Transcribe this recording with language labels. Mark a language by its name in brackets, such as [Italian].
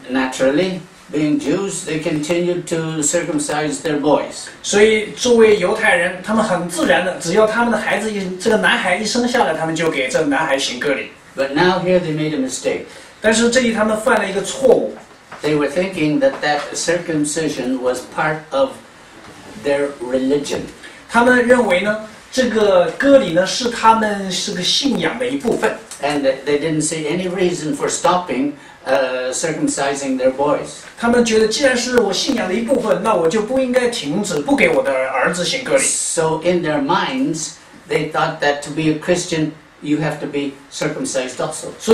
[English] naturally, being Jews, they continued to circumcise their boys. [Chinese] 所以，作为犹太人，他们很自然的，只要他们的孩子一这个男孩一生下来，他们就给这个男孩行割礼。 [English] But now here they made a mistake. [Chinese] 但是这里他们犯了一个错误。 [English] They were thinking that circumcision was part of their religion. [Chinese] 他们认为呢，这个割礼呢是他们这个信仰的一部分。 [English] And they didn't see any reason for stopping. Circumcising their boys. [Chinese] 他们觉得既然是我信仰的一部分，那我就不应该停止，不给我的儿子行割礼。 [English] So in their minds, they thought that to be a Christian, you have to be circumcised also.